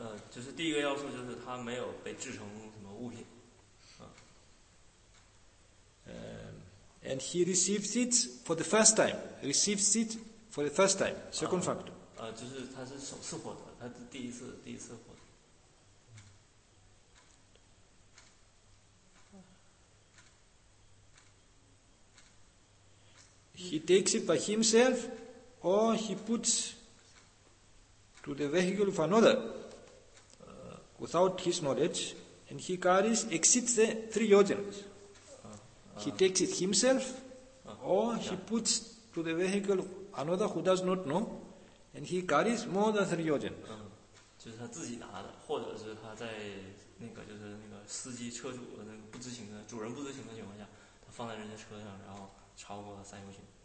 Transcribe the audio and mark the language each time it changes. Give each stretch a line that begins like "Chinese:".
Chinese: 就是第一个要素就是它没有被制成什么物品。
English: And he receives it for the first time. Receives it for the first time. Second factor.
Chinese: 就是他是首次获得，他是第一次获得。
English: He takes it by himself. Or he puts to the vehicle of another without his knowledge, and he carries, exceeds the three yojanas. He takes it himself, or he puts to the vehicle another who does not know, and he carries more than three yojanas.
Chinese: 就是他自己拿的，或者是他在那个就是那个司机车主那个不知情的主人不知情的情况下，他放在人家车上，然后超过了三游巡。